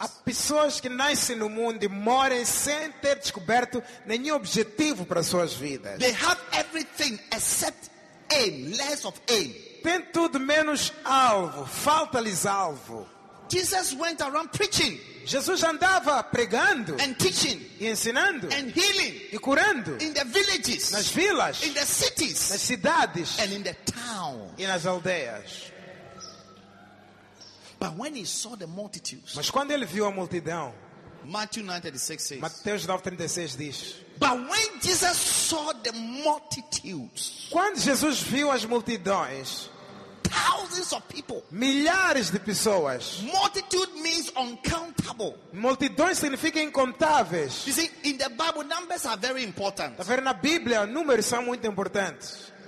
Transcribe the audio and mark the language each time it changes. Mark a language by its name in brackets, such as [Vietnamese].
[Portuguese] Há pessoas que nascem no mundo e morrem sem ter descoberto nenhum objetivo para suas vidas. [English] They have everything except aim, less of aim. [Portuguese] Tem tudo menos alvo, falta-lhes alvo. [English] Jesus went around preaching. [Portuguese] Jesus andava pregando [English] and teaching [Portuguese] e ensinando [English] and healing [Portuguese] e curando [English] in the villages, [Portuguese] nas vilas, [English] in the cities, [Portuguese] nas cidades [English] and in the town, [Portuguese] e nas aldeias. [English] But when he saw the multitudes, [Portuguese] mas quando ele viu a multidão, [English] Matthew [Portuguese] 9:36 diz. [English] But when Jesus saw the multitudes, [Portuguese] quando Jesus viu as multidões, [English] thousands of people, [Portuguese] milhares de pessoas, [English] multitude means uncountable. [Portuguese] Multidões significa incontáveis. [English] You see, in the Bible, numbers are very important. [Portuguese] Tá vendo, na Bíblia, números são muito importantes.